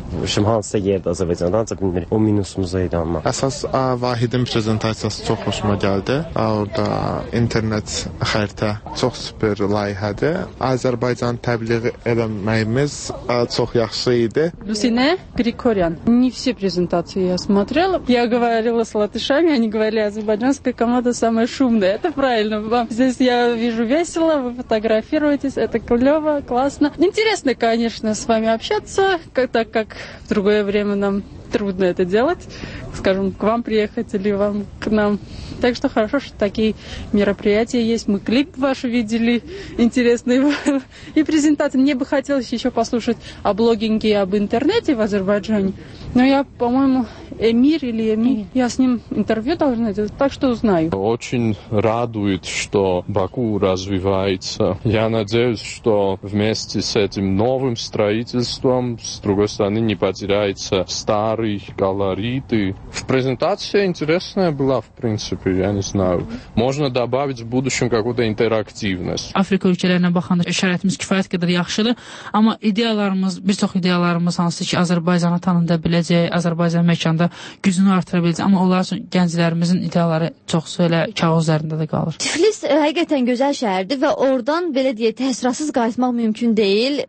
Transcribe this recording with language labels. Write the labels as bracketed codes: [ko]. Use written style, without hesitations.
[az] Şimdi hansısa yerdə Azərbaycanda, ancaq bilmirik. O minusumuz idi amma. Əsas Vahidin prezentasiyası çox xoşuma gəldi. Orada internet xəritə çox süper layihədir. Azərbaycan təbliğ eləməyimiz çox yaxşı idi. Lusinə Qrikoryan. [ru] Не все презентации я смотрела. Я говорила с латышами, они говорили, азербайджанская команда самая шумная. Это правильно. Вам здесь я вижу весело, вы фотографируетесь, это клево, классно. Интересно, конечно, с вами общаться, так как в другое время нам трудно это делать, скажем, к вам приехать или вам к нам. Так что хорошо, что такие мероприятия есть. Мы клип ваш видели, интересный был. И презентация. Мне бы хотелось еще послушать о блогинге и об интернете в Азербайджане. Но я, по-моему, Эмир. Я с ним интервью должна делать, так что узнаю. Очень радует, что Баку развивается. Я надеюсь, что вместе с этим новым строительством, с другой стороны, не потеряется старый колорит. В презентации интересная была, в принципе, я не знаю. Можно добавить в будущем какую-то интерактивность. [az] Африка ülkelerine bakan şəraitimiz kifayət qədər yaxşıdır. Amma ideyalarımız, bir çox ideyalarımız hansı ki, Azərbaycanı tanında biləcək, Azərbaycan məkanda gücünü artıra biləcək, amma onlar üçün gənclərimizin ideyaları çoxsu elə kağız üzərində də qalır. Tiflis həqiqətən gözəl şəhərdir və oradan belə deyə təsirsiz qayıtmaq mümkün deyil.